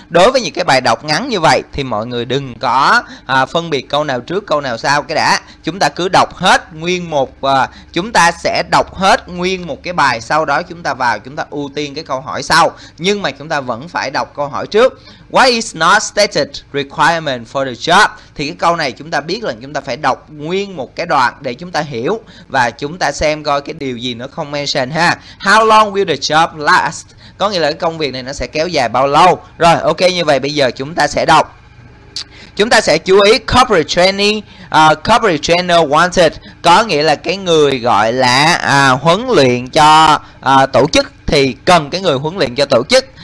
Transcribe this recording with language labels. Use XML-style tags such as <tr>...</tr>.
<vi>Đối với những cái bài đọc ngắn như vậy thì mọi người đừng có phân biệt câu nào trước câu nào sau cái đã. Chúng ta cứ đọc hết nguyên một chúng ta sẽ đọc hết nguyên một cái bài, sau đó chúng ta vào chúng ta ưu tiên cái câu hỏi sau. Nhưng mà chúng ta vẫn phải đọc câu hỏi trước.</vi> <en>What is not stated requirement for the job?</en> <vi>Thì cái câu này chúng ta biết là chúng ta phải đọc nguyên một cái đoạn để chúng ta hiểu và chúng ta xem coi cái điều gì nó không mention ha.</vi> <en>How long will the job last?</en> <vi>Có nghĩa là cái công việc này nó sẽ kéo dài bao lâu? Rồi, ok, như vậy bây giờ chúng ta sẽ đọc. Chúng ta sẽ chú ý</vi> <en>corporate trainer wanted,</en> <vi>có nghĩa là cái người gọi là huấn luyện cho tổ chức, thì cần cái người huấn luyện cho tổ chức.</vi>